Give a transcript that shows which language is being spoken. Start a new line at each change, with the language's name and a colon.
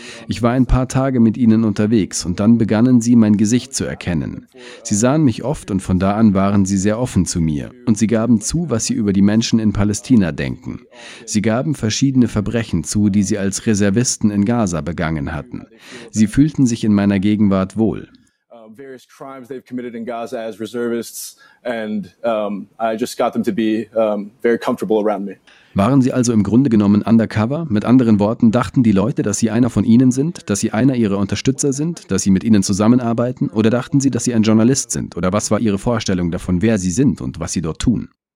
German: Ich war ein paar Tage mit ihnen unterwegs und dann begannen sie, mein Gesicht zu erkennen. Sie sahen mich oft und von da an waren sie sehr offen zu mir. Und sie gaben zu, was sie über die Menschen in Palästina denken. Sie gaben verschiedene Verbrechen zu, die sie als Reservisten in Gaza begangen hatten. Sie fühlten sich in meiner Gegenwart wohl.
English: Various crimes they've committed in Gaza as reservists, and I just got them to be very comfortable around me.
German: Waren Sie also im Grunde genommen undercover? Mit anderen Worten, dachten die Leute, dass Sie einer von Ihnen sind, dass Sie einer Ihrer Unterstützer sind, dass Sie mit Ihnen zusammenarbeiten? Oder dachten Sie, dass Sie ein Journalist sind? Oder was war Ihre Vorstellung davon, wer Sie sind und was Sie dort tun?